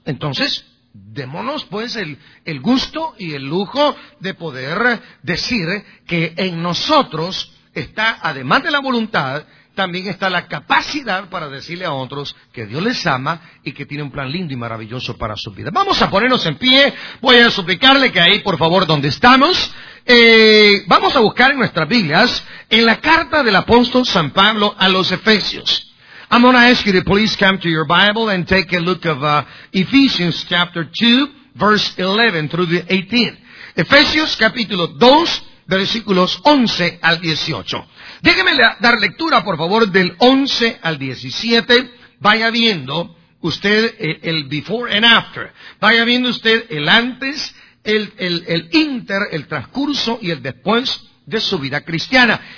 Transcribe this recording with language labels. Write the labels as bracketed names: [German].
[Spanish] Entonces, démonos pues el gusto y el lujo de poder decir que en nosotros está, además de la voluntad, también está la capacidad para decirle a otros que Dios les ama y que tiene un plan lindo y maravilloso para su vida. Vamos a ponernos en pie, voy a suplicarle que ahí, por favor, donde estamos, vamos a buscar en nuestras Biblias, en la carta del apóstol San Pablo a los Efesios. [English] I'm going to ask you to please come to your Bible and take a look of Ephesians chapter 2, verse 11 through the 18. [Spanish] Efesios capítulo 2, versículos 11 al 18. Déjeme dar lectura, por favor, del 11 al 17. Vaya viendo usted el [English] before and after. [Spanish] Vaya viendo usted el antes, el inter, el transcurso y el después de su vida cristiana.